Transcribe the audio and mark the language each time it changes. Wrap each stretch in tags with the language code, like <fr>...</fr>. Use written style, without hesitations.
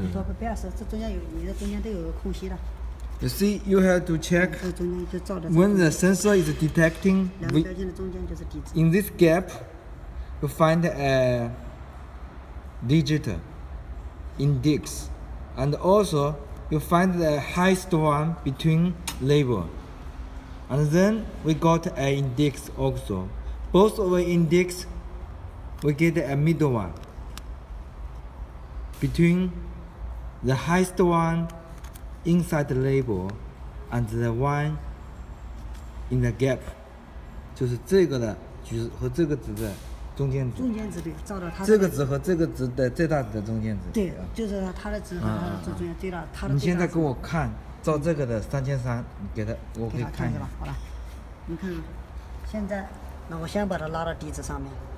<zh>你说不要撕，这中间有你的中间都有个空隙的。</zh> <en>You see, you have to check when the sensor is detecting.</en> <zh>两个标签的中间就是底子。</zh> <en>In this gap, you find a digit index, and also. You find the highest one between label, and then we got an index also. Both of the index, we get a middle one between the highest one inside the label and the one in the gap.</en> <zh>就是这个的值和这个值的中间值。中间值对，照到它。这个值和这个值的最大值的中间值。对，就是它的值和它的中间最大，它的。你现在给我看，照这个的三千三，给它，我可以看一下。好了，你看，现在，那我先把它拉到底子上面。</zh>